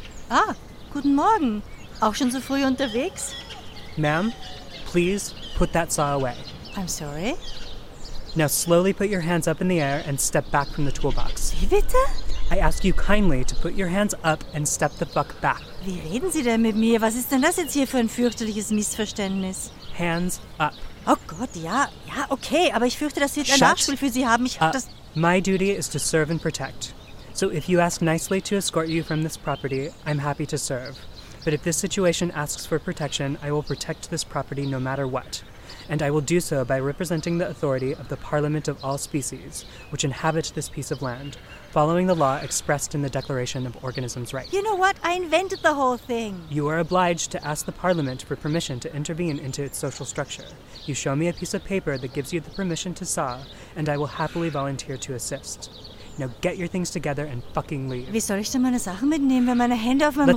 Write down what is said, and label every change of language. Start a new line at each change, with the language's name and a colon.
German: Ah, guten Morgen. Auch schon so früh unterwegs?
English: Ma'am, please put that saw away. I'm sorry? Now slowly put your hands up in the air and step back from the toolbox.
German: Wie bitte?
English: I ask you kindly to put your hands up and step the fuck back.
German: Wie reden Sie denn mit mir? Was ist denn das jetzt hier für ein fürchterliches Missverständnis?
English: Hands up.
German: Oh Gott, ja. Ja, okay, aber ich fürchte, das wird ein Nachspiel für Sie haben. Ich hab das...
English: My duty is to serve and protect. So if you ask nicely to escort you from this property, I'm happy to serve. But if this situation asks for protection, I will protect this property no matter what. And I will do so by representing the authority of the Parliament of all species, which inhabit this piece of land, following the law expressed in the Declaration of Organisms' Rights. You know what? I invented the whole thing. You are obliged to ask the Parliament for permission to intervene into its social structure. You show me a piece of paper that gives you the permission to saw, and I will happily volunteer to assist. Now get your things together and fucking leave.
German: Wie soll ich denn meine Sachen mitnehmen, wenn meine Hände auf meinem